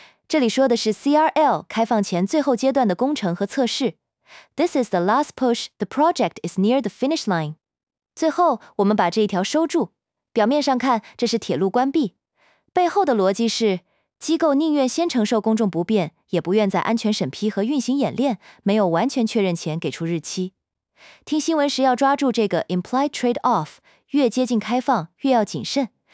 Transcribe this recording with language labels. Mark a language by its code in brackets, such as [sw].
[zh] 这里说的是 CRL 开放前最后阶段的工程和测试。 [en] This is the last push, the project is near the finish line。 [zh] 最后，我们把这一条收住。表面上看，这是铁路关闭。背后的逻辑是，机构宁愿先承受公众不便，也不愿在安全审批和运行演练没有完全确认前给出日期。听新闻时要抓住这个 [en] implied trade-off， [zh] 越接近开放越要谨慎。